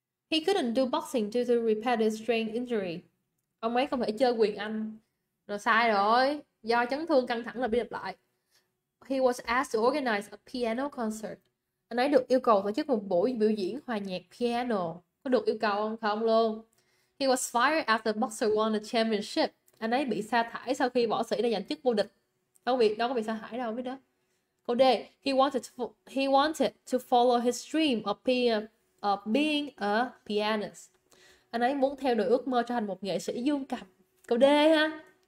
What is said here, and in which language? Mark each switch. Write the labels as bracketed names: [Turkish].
[English] He couldn't do boxing due to repetitive strain injury. [Vietnamese] Ông ấy không thể chơi quyền Anh. Rồi sai rồi. Do chấn thương căng thẳng là bị lặp lại. [English] He was asked to organize a piano concert. [Vietnamese] Anh ấy được yêu cầu tổ chức một buổi biểu diễn hòa nhạc piano. Có được yêu cầu không? Không luôn. [English] He was fired after the boxer won the championship. [Vietnamese] Anh ấy bị sa thải sau khi võ sĩ đã giành chức vô địch. Đâu có bị sa thải đâu, biết đó. Câu D. [English] He wanted to follow his dream of being a pianist. [Vietnamese] Anh ấy muốn theo đuổi ước mơ trở thành một nghệ sĩ dương cầm. Câu D ha.